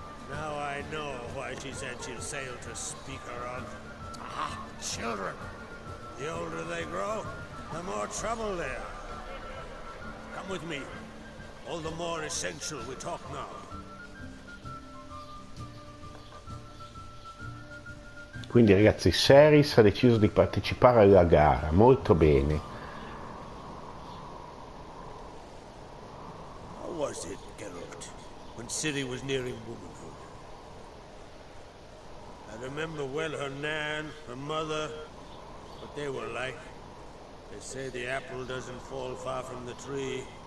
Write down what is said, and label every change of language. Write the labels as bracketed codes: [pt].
[en] Now I know why she said she'll sail to speak her of. Ah, children! The older they grow, the more trouble they are. Come with me. All the more essential we talk now. [it] Quindi ragazzi, Ceres ha deciso di partecipare alla gara. Molto bene. [en] How was it, Geralt, when Ciri was nearing womanhood? I remember well her nan, her mother, what they were like. They say the apple doesn't fall far from the tree.